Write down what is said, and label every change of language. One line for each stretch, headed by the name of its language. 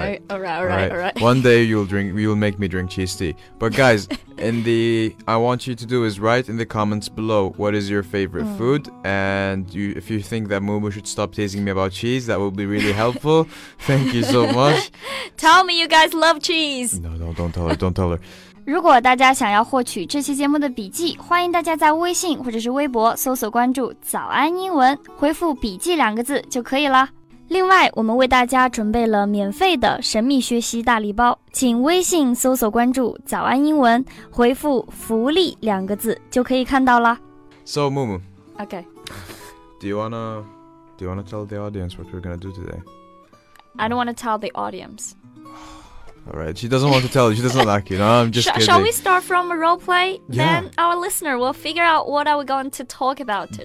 English: All right. One day you'll make me drink cheese tea. But guys, I want you to do is write in the comments below what is your favorite food. And if you think that Mumu should stop teasing me about cheese, that would be really helpful. Thank you so much. Tell me you guys love cheese. No, don't tell her.
Chinese: 如果大家想要获取这期节目的笔记，欢迎大家在微信或者是微博搜索关注早安英文，回复笔记两个字就可以了。另外，我们为大家准备了免费的神秘学习大礼包，请微信搜索关注“早安英文”，回复“福利”两个字就可以看到了。
English: So, Mumu. Okay. Do you wanna tell the audience what we're gonna do today? I don't wanna tell the audience. All right. She doesn't want to tell you. She doesn't like you. No, I'm just kidding. Shall we start from a role play? Yeah. Then our listener will figure out what are we going to talk about today.